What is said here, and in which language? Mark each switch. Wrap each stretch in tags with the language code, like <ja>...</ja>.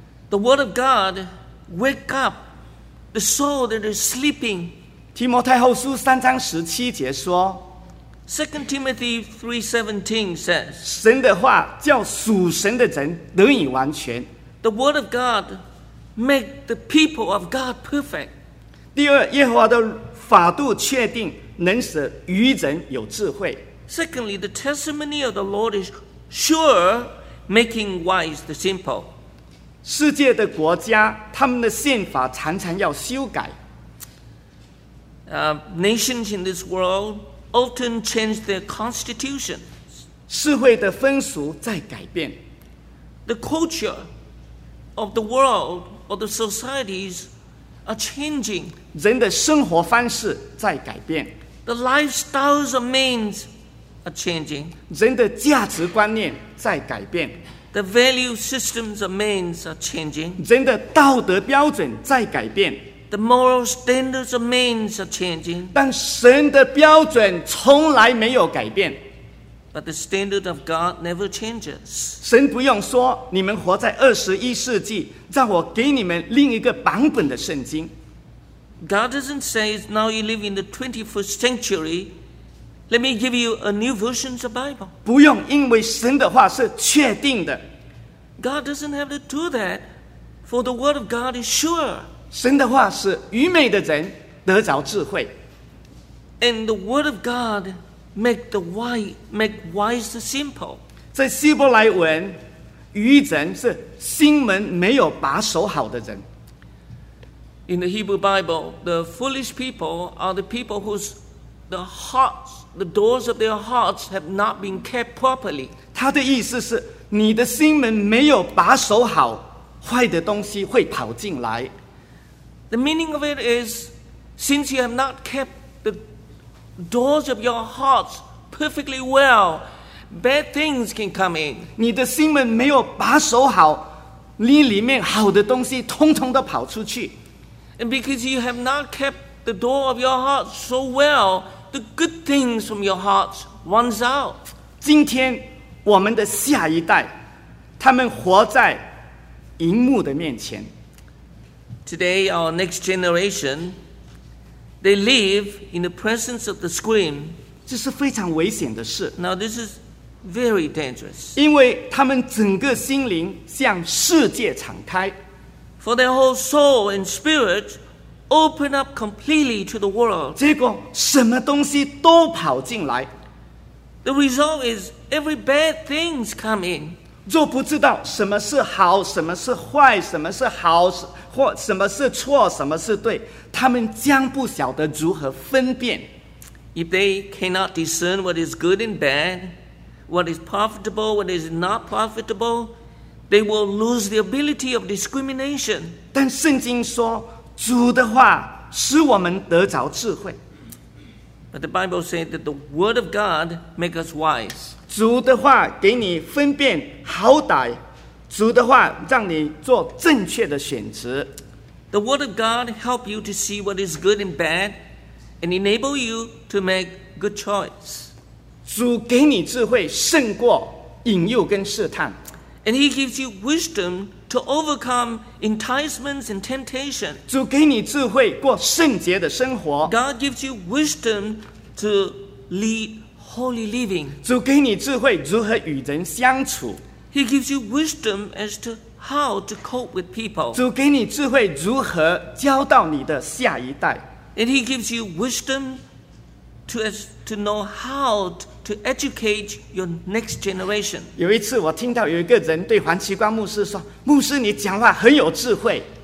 <en>The word of God wake up the soul that is sleeping.</en> <zh>提摩太后书三章十七节说</zh> <en>2 Timothy 3:17 says,</en> <zh>神的话叫属神的人得以完全。</zh> <en>The word of God make the people of God perfect.</en> <zh>第二，耶和华的法度确定，能使愚人有智慧。</zh> <en>Secondly, the testimony of the Lord is sure, making wise the simple.</en> <zh>世界的国家，他们的宪法常常要修改。</zh> <en>Nations in this world often change their constitution.</en> <zh>社会的风俗在改变。</zh> <en>The culture of the world or the societies are changing.</en> <zh>人的生活方式在改变。</zh> <en>The lifestyles of men are changing.</en> <zh>人的价值观念在改变。</zh> <en>The value systems of men are changing.</en> <zh>人的道德标准在改变。</zh> <en>The moral standards of men are changing.</en> <zh>但神的标准从来没有改变。</zh> <en>But the standard of God never changes.</en> <zh>神不用说，你们活在二十一世纪，让我给你们另一个版本的圣经。</zh> <en>God doesn't say, now you live in the 21st century. Let me give you a new version of the Bible.</en> <zh>不用，因为神的话是确定的。</zh> <en>God doesn't have to do that, for the word of God is sure.</en> <zh>神的话是愚昧的人得着智慧。</zh> <en>And the word of God make wise the simple.</en> <zh>在希伯来文，愚人是心门没有把守好的人。</zh> <en>In the Hebrew Bible, the foolish people are the people whose the doors of their hearts have not been kept properly.</en> <zh>他的意思是，你的心门没有把守好，坏的东西会跑进来。</zh> <en>The meaning of it is, since you have not kept the doors of your hearts perfectly well, bad things can come in.</en> <zh>你的心门没有把守好，你里面好的东西通通都跑出去。</zh> <en>And because you have not kept the door of your heart so well,The good things from your heart runs out.</en> <zh>今天我们的下一代，他们活在荧幕的面前。</zh> <en>Today, our next generation, they live in the presence of the screen.</en> <zh>这是非常危险的事。</zh> <en>Now, this is very dangerous.</en> <zh>因为他们整个心灵向世界敞开。</zh> <en>For their whole soul and spirit. Open up completely to the world.</en> <zh>结果什么东西都跑进来。</zh> <en>The result is every bad things come in.</en> <zh>若不知道什么是好，什么是坏，什么是好或什么是错，什么是对，他们将不晓得如何分辨。</zh> <en>If they cannot discern what is good and bad, what is profitable, what is not profitable, they will lose the ability of discrimination.</en> <zh>但圣经说，主的话使我们得着智慧。</zh> <en>But the Bible says that the word of God makes us wise.</en> <zh>主的话给你分辨好歹，主的话让你做正确的选择。</zh> <en>The word of God help you to see what is good and bad. And enable you to make good choice.</en> <zh>主给你智慧胜过引诱跟试探。</zh> <en>And he gives you wisdom to overcome enticements and temptation.</en> <zh>主给你智慧过圣洁的生活。</zh> <en>God gives you wisdom to lead holy living.</en> <zh>主给你智慧如何与人相处。</zh> <en>He gives you wisdom as to how to cope with people.</en> <zh>主给你智慧如何教导你的下一代。</zh> <en>And he gives you wisdom to know how to educate your next generation.</en> <zh>有一次我听到有一个人对黄奇光牧师说，牧师你讲话很有智慧。</zh>